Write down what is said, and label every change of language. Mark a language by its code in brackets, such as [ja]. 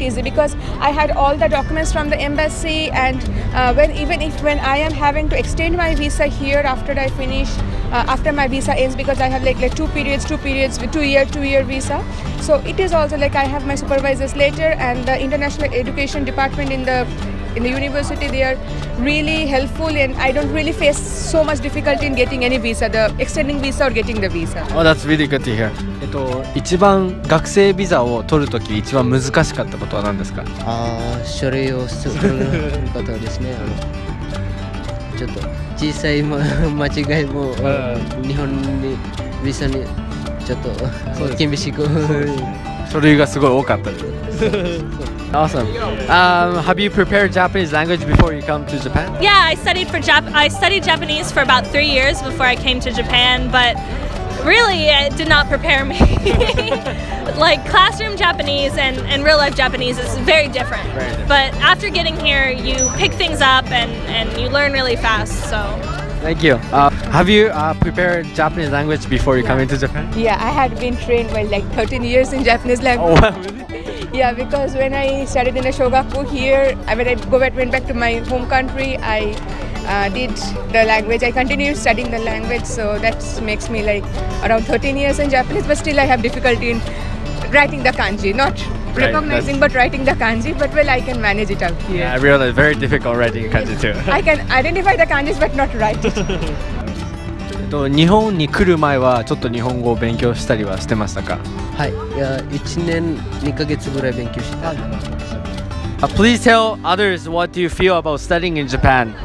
[en] easy because I had all the documents from the embassy, and when I am having to extend my visa here after I finish, after my visa ends, because I have like two periods, two-year visa. So it is also like I have my supervisors later, and the international education department in the university, they are really helpful, and I don't really face so much difficulty in getting any visa, the extending visa or getting the visa. Oh, that's really good to hear. [ja] 一番学生ビザを取るとき一番難しかったことは何ですか？書類を作ることですね。ちょっと小さい間違いも日本にビザにちょっと厳しく書類がすごい多かったです。 [en] Awesome. Have you prepared Japanese language before you come to Japan? Yeah, I studied Japanese for about 3 years before I came to Japan, but really, it did not prepare me. Like classroom Japanese and real life Japanese is very different. Very different. But after getting here, you pick things up and you learn really fast. So. Thank you. Have you prepared Japanese language before you come into Japan? Yeah, I had been trained for like 13 years in Japanese language. Oh, wow. Yeah, because when I studied in a shogaku here, went back to my home country, I did the language. I continued studying the language, so that makes me like around 13 years in Japanese, but still I have difficulty in writing the kanji. Not recognizing, right, but writing the kanji, but well, I can manage it out here. Yeah, I realize it's very difficult writing kanji too. I can identify the kanjis, but not write it. [ja] 日本に来る前はちょっと日本語を勉強したりはしてましたか？はい、いや1年2ヶ月ぐらい勉強した。 [en] Please tell others what do you feel about studying in Japan.